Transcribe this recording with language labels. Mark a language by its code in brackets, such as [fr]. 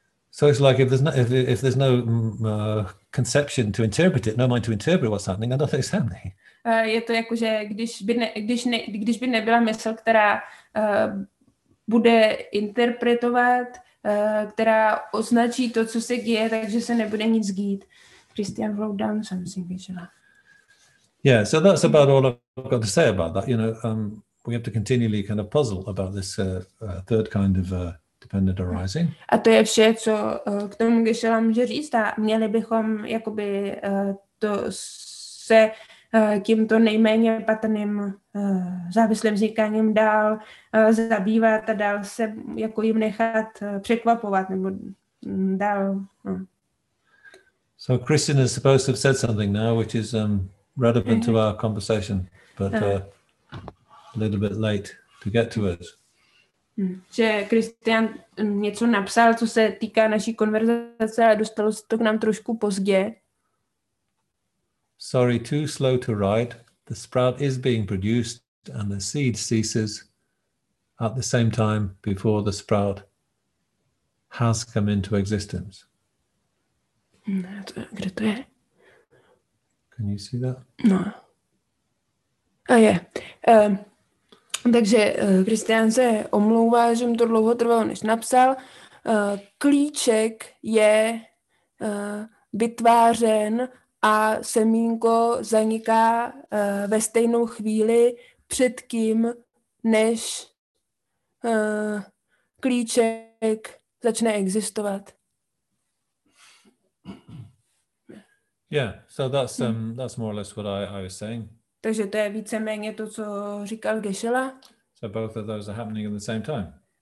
[en] So it's like if there's no conception to interpret it, no mind to interpret what's happening, and nothing's happening. [cs] Je to jako, že když by nebyla mysl, která bude interpretovat, která označí to, co se děje, takže se nebude nic dít. [en] Christian wrote down something, Vigela. Yeah, so that's about all I've got to say about that. You know, we have to continually kind of puzzle about this third kind of dependent arising. [cs] A to je vše, co k tomu Geshe-la může říct. A měli bychom jakoby to se tímto nejméně patrným závislým vznikáním dál zabývat a dál se jako jim nechat překvapovat nebo dál. [en] So Christian is supposed to have said something now, which is relevant to our conversation, but a little bit late to get to it. [cs] Že Christian něco napsal, co se týká naší konverzace, ale dostalo se to k nám trošku pozdě. [en] Sorry, too slow to write. The sprout is being produced and the seed ceases at the same time before the sprout has come into existence. [cs] Kde to je? [en] Can you see that? [cs] No. A je. Takže Christian se omlouvá, že mu to dlouho trvalo, než napsal. Klíček je vytvářen a semínko zaniká ve stejnou chvíli před tím, než klíček začne existovat. [en] Yeah, so that's more or less what I was saying. [cs] Takže to je víceméně to, co říkal Geshe-la. [en] So both of those are happening at the same time.